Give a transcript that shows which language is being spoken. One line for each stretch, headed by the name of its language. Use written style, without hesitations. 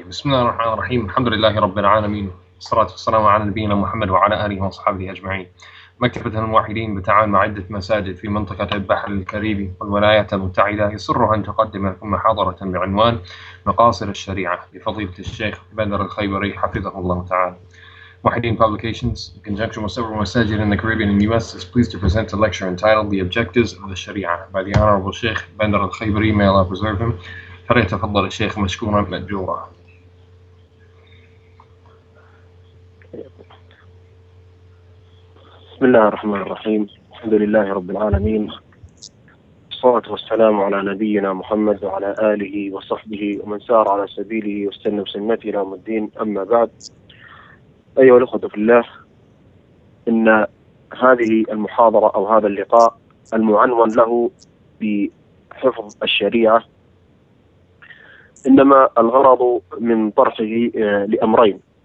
Arabic: بسم الله الرحمن الرحيم، الحمد لله رب العالمين، والصلاة والسلام على نبينا محمد وعلى آله وصحبه أجمعين. مكتبة الموحدين بتعاون مع عدة مساجد في منطقة البحر الكاريبي والولايات المتحدة يسرها أن تقدم لكم محاضرة بعنوان مقاصد الشريعة لفضيلة الشيخ بدر الخيبري حفظه الله تعالى.
English: Mohideen Publications, in conjunction with several masajid in the Caribbean and U.S., is pleased to present a lecture entitled The Objectives of the Sharia by the Honorable Sheikh Bandar al-Khaybri, may Allah preserve him.
Arabic: فليتفضل الشيخ مشكورا مأجورا. بسم الله الرحمن الرحيم، الحمد لله رب العالمين، الصلاة والسلام على نبينا محمد وعلى آله وصحبه ومن سار على سبيله واستنى بسنته إلى يوم الدين، أما بعد، أيها الأخوة في الله، إن هذه المحاضرة أو هذا اللقاء المعنون له بحفظ الشريعة إنما الغرض من طرحه لأمرين.